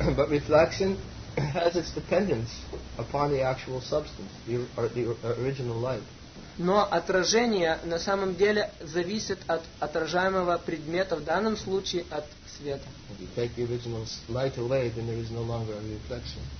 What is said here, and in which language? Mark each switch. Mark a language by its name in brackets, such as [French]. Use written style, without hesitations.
[English] But reflection has its dependence upon the actual substance, the original light. [Russian] Но отражение на самом деле зависит от отражаемого предмета, в данном случае от света. [English] If you take the original light away, then there is no longer a reflection.